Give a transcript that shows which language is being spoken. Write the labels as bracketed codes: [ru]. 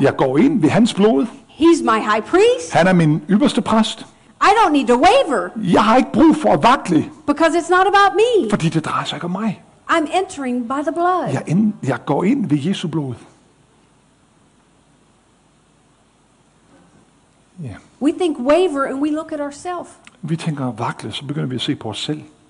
[da] Jeg går ind ved hans blod. [en] He's my high priest. [da] Han er min ypperste præst. [en] I don't need to waver. [da] Jeg har ikke brug for at vakle. [en] Because it's not about me. [da] Fordi det drejer sig ikke om mig. [en] I'm entering by the blood. [da] Jeg går ind ved Jesu blod. [en] We think waver and we look at ourselves. [da] Vi tænker vakle, så begynder vi at se på os selv.